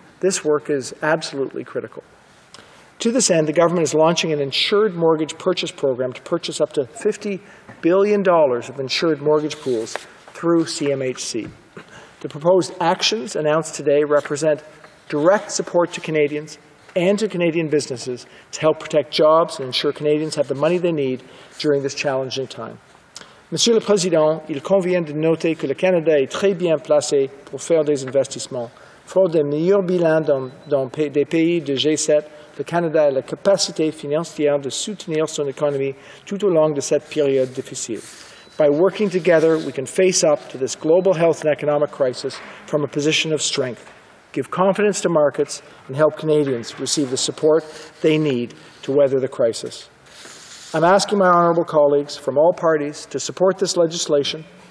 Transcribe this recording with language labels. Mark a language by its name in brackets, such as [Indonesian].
[English] This work is absolutely critical. To this end, the government is launching an insured mortgage purchase program to purchase up to $50 billion of insured mortgage pools through CMHC. The proposed actions announced today represent direct support to Canadians and to Canadian businesses to help protect jobs and ensure Canadians have the money they need during this challenging time. [French] Monsieur le Président, il convient de noter que le Canada est très bien placé pour faire des investissements. Fort des meilleurs bilans des pays du G7, le Canada a la capacité financière de soutenir son économie tout au long de cette période difficile. [English] By working together, we can face up to this global health and economic crisis from a position of strength, give confidence to markets, and help Canadians receive the support they need to weather the crisis. I'm asking my honourable colleagues from all parties to support this legislation.